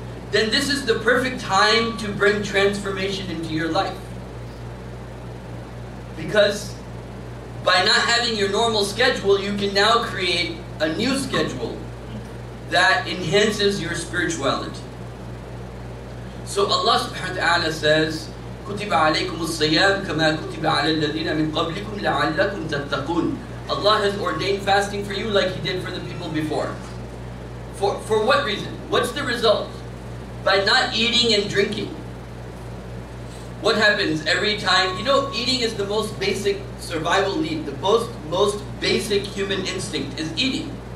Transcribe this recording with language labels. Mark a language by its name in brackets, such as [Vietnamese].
[English] then this is the perfect time to bring transformation into your life. Because by not having your normal schedule, you can now create a new schedule that enhances your spirituality. [Arabic] So Allah subhanahu wa ta'ala says, كُتِبَ عَلَيْكُمُ الصَّيَامُ كَمَا كُتِبَ عَلَى الَّذِينَ مِنْ قَبْلِكُمْ لَعَلَّكُمْ تَتَّقُونَ. [English] Allah has ordained fasting for you like He did for the people before. For what reason? What's the result? By not eating and drinking. What happens every time? You know, eating is the most basic survival need. The most basic human instinct is eating.